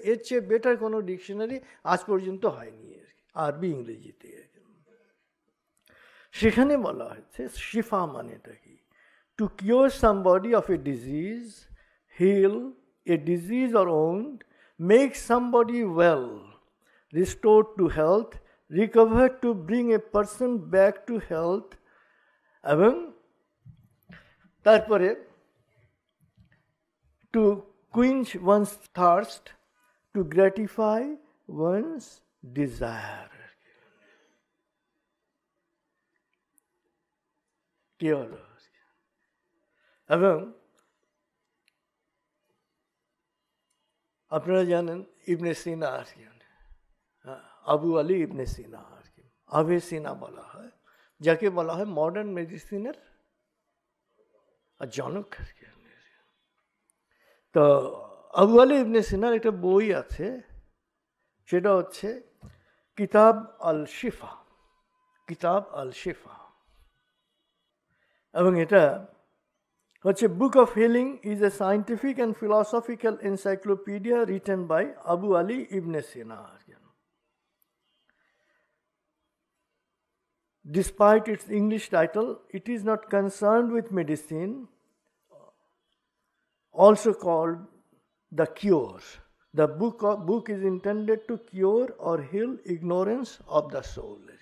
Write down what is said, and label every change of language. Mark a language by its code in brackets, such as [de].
[bn] এর চেয়ে বেটার কোনো ডিকশনারি আজ পর্যন্ত হয়নি আরবি ইংরেজিতে। সেখানে বলা হয়েছে শিফা মানেটা কি, [en] to cure somebody of a disease, heal a disease or wound, make somebody well, restored to health, recovered to bring a person back to health, [bn] এবং তারপরে [en] to quench one's thirst, to gratify one's desire. [bn] কি হল এবং আপনারা জানেন ইবনে সিনা আর কি, আবু আলী ইবনে সিনা আর কি, আবে সিনা বলা হয় যাকে, বলা হয় মডার্ন মেডিসিনের জনক আর কি। তো আবু আলী ইবনে সিনার একটা বই আছে, সেটা হচ্ছে কিতাব আল শিফা, কিতাব আল শিফা, এবং এটা হচ্ছে [en] book of healing is a scientific and philosophical encyclopedia written by [bn] Abu Ali ইবনে সিনা আর কি। [en] Despite its English title, it is not concerned with medicine, also called the cure. The book is intended to cure or heal ignorance of the soul.